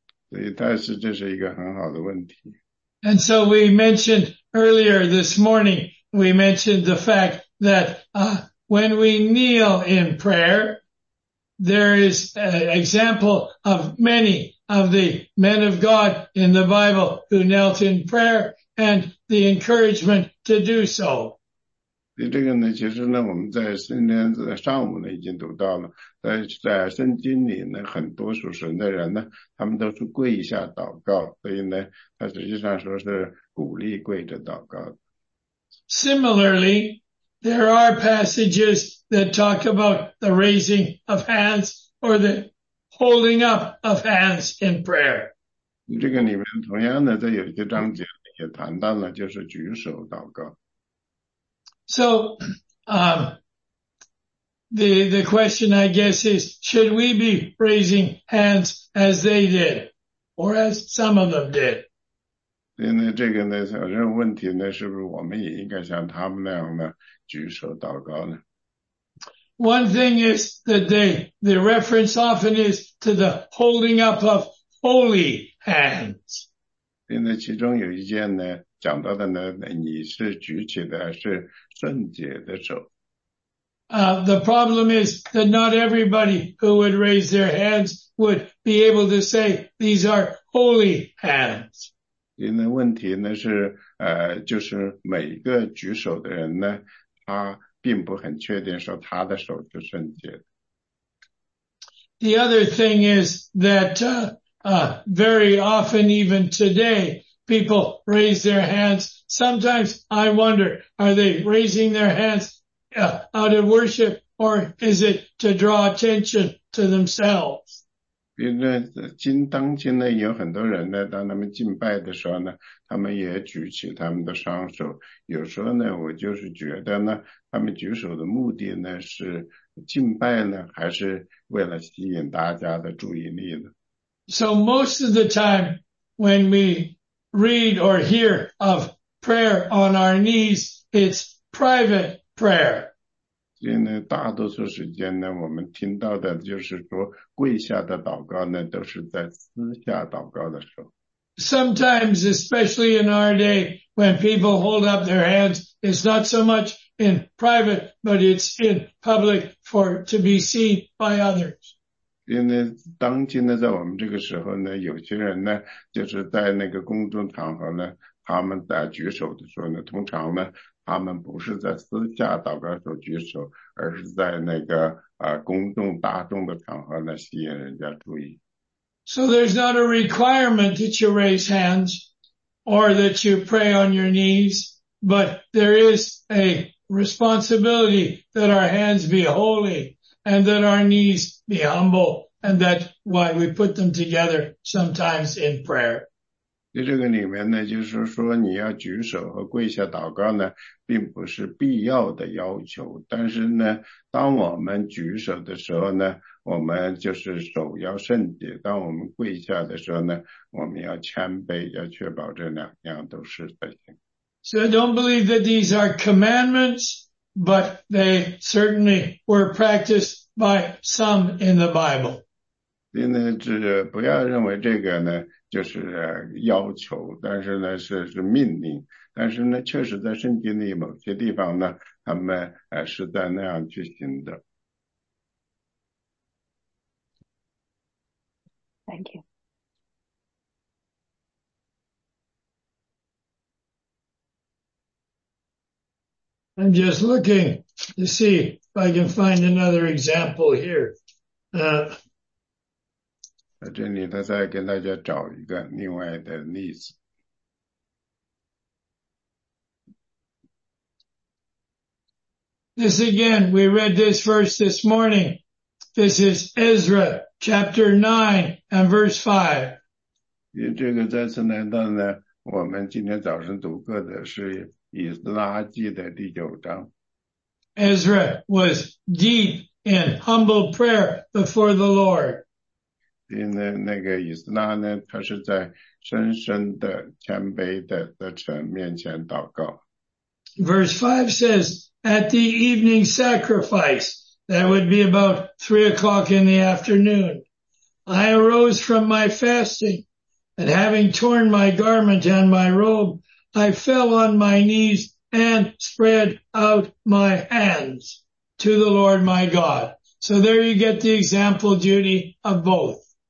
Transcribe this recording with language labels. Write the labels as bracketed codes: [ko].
[zh] 对，但是这是一个很好的问题。 [en] And so we mentioned earlier this morning, we mentioned the fact that when we kneel in prayer, there is an example of many of the men of God in the Bible who knelt in prayer and the encouragement to do so. [zh] 所以这个呢，其实呢，我们在今天在上午呢已经读到了，在圣经里呢，很多属神的人呢，他们都是跪下祷告，所以呢，他实际上说是鼓励跪着祷告。 [en] Similarly, there are passages that talk about the raising of hands or the holding up of hands in prayer. [zh] 这个里面同样的，在有些章节也谈到了，就是举手祷告。 [en] So, the question I guess is, should we be raising hands as they did, or as some of them did? [zh] 那这个呢，小任问题呢，是不是我们也应该像他们那样呢，举手祷告呢？ [en] One thing is that the reference often is to the holding up of holy hands. [zh] 那其中有一件呢，讲到的呢，你是举起的是圣洁的手。 [en] The problem is that not everybody who would raise their hands would be able to say these are holy hands. [zh] 因为问题呢是就是每一个举手的人呢，他并不很确定说他的手是圣洁的。 [en] The other thing is that very often even today,People raise their hands. Sometimes I wonder, are they raising their hands out of worship or is it to draw attention to themselves? [zh] 因为当今呢，有很多人呢，当他们敬拜的时候呢，他们也举起他们的双手。有时候呢，我就是觉得呢，他们举手的目的呢，是敬拜呢，还是为了吸引大家的注意力呢？ [en] So most of the time when we read or hear of prayer on our knees, it's private prayer. [zh] 所以呢，大多数时间呢，我们听到的就是说跪下的祷告呢，都是在私下祷告的时候。 [en] Sometimes, especially in our day, when people hold up their hands, it's not so much in private, but it's in public for to be seen by others. [zh] 因为当今呢，在我们这个时候呢，有些人呢，就是在那个公众场合呢，他们在举手的时候呢，通常呢，他们不是在私下祷告时候举手，而是在那个公众大众的场合呢，吸引人家注意。 [en] So there's not a requirement that you raise hands or that you pray on your knees, but there is a responsibility that our hands be holy. And that our knees be humble, and that's why we put them together sometimes in prayer. [zh] 在这个里面呢，就是说你要举手和跪下祷告呢，并不是必要的要求。但是呢，当我们举手的时候呢，我们就是手要圣洁；当我们跪下的时候呢，我们要谦卑，要确保这两样都是在行。 [en] So I don't believe that these are commandments. But they certainly were practiced by some in the Bible. [zh] 因为这不要认为这个呢就是要求，但是呢是命令。但是呢，确实在圣经里某些地方呢，他们是在那样去行的。 [en] Thank you. I'm just looking to see if I can find another example here. [zh] 这里他再跟大家找一个另外的例子。 [en] This again, we read this verse this morning. This is Ezra chapter 9 and verse 5. [zh] 这个再次难道呢我们今天早上读过的是以拉记的第九章。 [en] Ezra was deep in humble prayer before the Lord. [zh] 那个以拉呢，他是在深深的谦卑的神面前祷告。 [en] Verse 5 says, at the evening sacrifice, that would be about 3 o'clock in the afternoon, I arose from my fasting, and having torn my garment and my robe,I fell on my knees and spread out my hands to the Lord my God. So there you get the example, Judy, of both.